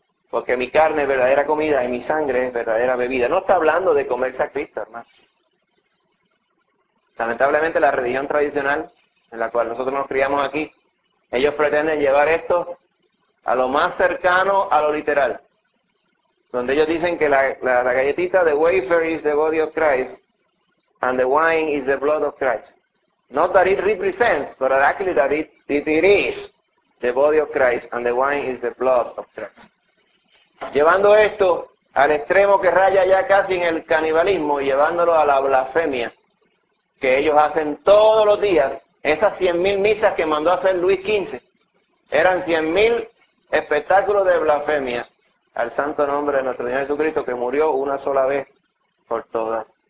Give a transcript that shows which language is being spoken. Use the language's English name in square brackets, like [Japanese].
[Spanish] Porque mi carne es verdadera comida y mi sangre es verdadera bebida. No está hablando de comerse a Cristo, hermano. Lamentablemente la religión tradicional en la cual nosotros nos criamos aquí, ellos pretenden llevar esto a lo más cercano a lo literal. Donde ellos dicen que la galletita, [English] the wafer is the body of Christ, and the wine is the blood of Christ. Not that it represents, but actually that it is the body of Christ, and the wine is the blood of Christ. [Spanish] Llevando esto al extremo que raya ya casi en el canibalismo, y llevándolo a la blasfemia que ellos hacen todos los días. Esas 100.000 misas que mandó a hacer Luis XV eran 100.000 espectáculos de blasfemia al santo nombre de nuestro Señor Jesucristo, que murió una sola vez por todas.